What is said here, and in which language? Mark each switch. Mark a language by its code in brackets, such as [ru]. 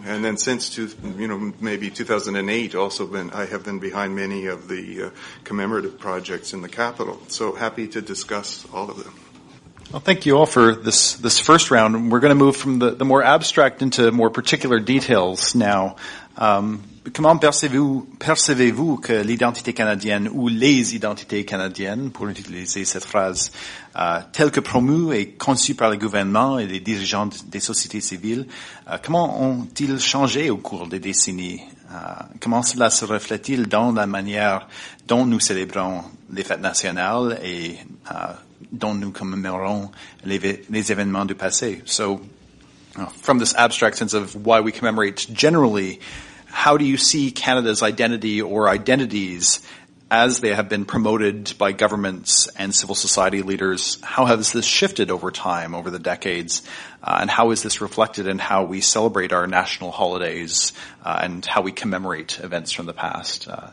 [en] And then since maybe 2008, I have been behind many of the commemorative projects in the Capitol. So happy to discuss all of them. Well, thank you all for this first round. We're going to move from the more abstract into more particular details now. [fr] Comment percevez-vous que l'identité canadienne ou les identités canadiennes, pour utiliser cette phrase, telle que promue et conçue par le gouvernement et les dirigeants des sociétés civiles, comment ont-ils changé au cours des décennies? Comment cela se reflète-t-il dans la manière dont nous célébrons les fêtes nationales et dont nous commémorons les événements du passé? [en] So, from this abstract sense of why we commemorate generally, how do you see Canada's identity or identities as they have been promoted by governments and civil society leaders? How has this shifted over time, over the decades? And how is this reflected in how we celebrate our national holidays and how we commemorate events from the past?